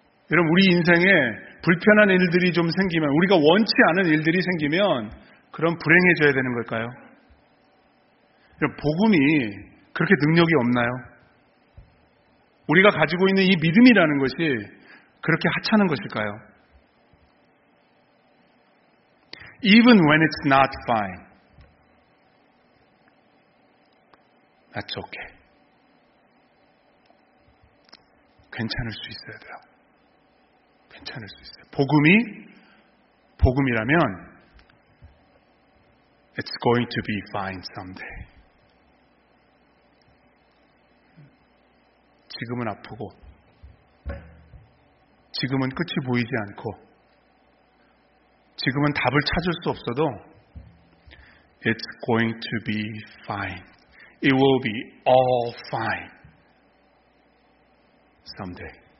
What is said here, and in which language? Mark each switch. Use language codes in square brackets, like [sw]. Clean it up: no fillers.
[ko] 여러분, 우리 인생에 불편한 일들이 좀 생기면 우리가 원치 않은 일들이 생기면 그럼 불행해져야 되는 걸까요? 여러분, 복음이 그렇게 능력이 없나요? 우리가 가지고 있는 이 믿음이라는 것이 그렇게 하찮은 것일까요? [en] Even when it's not fine, that's okay. [ko] 괜찮을 수 있어야 돼요. 괜찮을 수 있어요. 복음이 복음이라면 [en] it's going to be fine someday. [ko] 지금은 아프고 지금은 끝이 보이지 않고 지금은 답을 찾을 수 없어도 [en] It's going to be fine. it will be all fine someday.